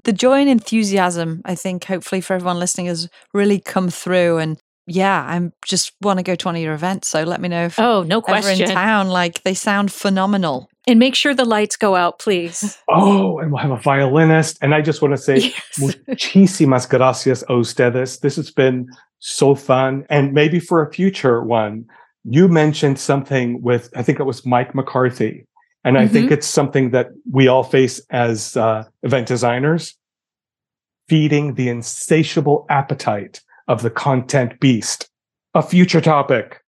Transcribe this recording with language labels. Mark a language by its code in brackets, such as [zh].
[en] The joy and enthusiasm, I think, hopefully for everyone listening, has really come through. And yeah, I just want to go to one of your events. So let me know if you're in town. Like, they sound phenomenal. And make sure the lights go out, please. Oh, and we'll have a violinist. And I just want to say, yes. [es] Muchísimas gracias a ustedes. [en] This has been so fun. And maybe for a future one, you mentioned something with, I think it was Mike McCarthy. And I think it's something that we all face as event designers. Feeding the insatiable appetite of the content beast. A future topic.